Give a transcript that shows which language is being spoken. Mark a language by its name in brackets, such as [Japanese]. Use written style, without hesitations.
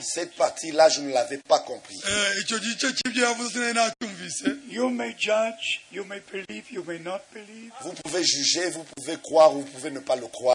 [French] Cette partie-là, je ne l'avais pas compris. [English] You may judge, you may believe, you may not believe. [French] Vous pouvez juger, vous pouvez croire, vous pouvez ne pas le croire.